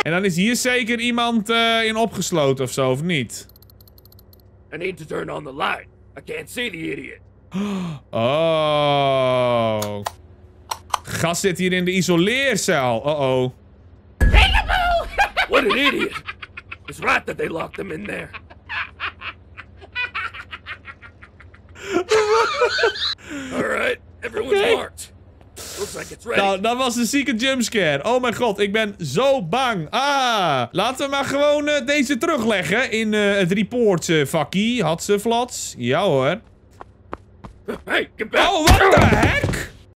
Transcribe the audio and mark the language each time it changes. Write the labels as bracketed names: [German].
[Dutch] En dan is hier zeker iemand in opgesloten of zo, of niet? [English] I need to turn on the light. I can't see the idiot. [Dutch] Oh. Gast zit hier in de isoleercel. Uh-oh. [English] Peekaboo! What an idiot. It's right that they locked him in there. Alright, everyone's okay. Marked. Like [Dutch] nou, dat was een zieke jumpscare. Oh mijn god, ik ben zo bang. Ah, laten we maar gewoon deze terugleggen in het reports vakkie. Had ze flats? Ja hoor. [English] Hey, get back. Oh, what the heck?